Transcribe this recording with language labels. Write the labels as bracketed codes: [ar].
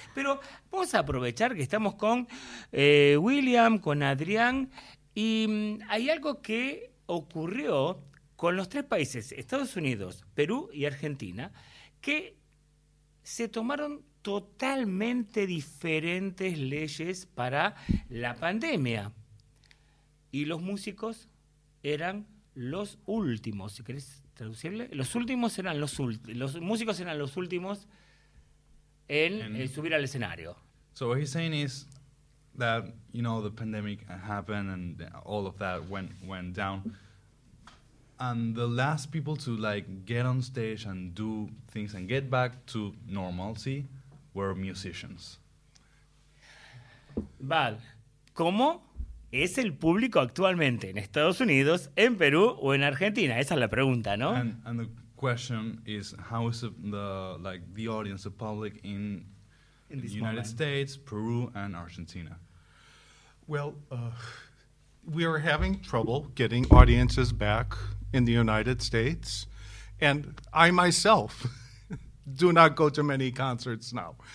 [es] Pero vamos a aprovechar que estamos con William, con Adrián, y hay algo que ocurrió con los tres países, Estados Unidos, Perú y Argentina, que se tomaron totalmente diferentes leyes para la pandemia. Y los músicos eran los últimos. Si querés traducirle, los músicos eran los últimos en subir al escenario. [en] So what he's saying is that, you know, the pandemic happened and all of that went down. And the last people to like get on stage and do things and get back to normalcy were musicians. [es] Vale. ¿Cómo es el público actualmente en Estados Unidos, en Perú o en Argentina? Esa es la pregunta, ¿no? [en] And the question is how is the audience, the public in the United States, Peru and Argentina? Well, we are having trouble getting audiences back in the United States, and I myself do not go to many concerts now.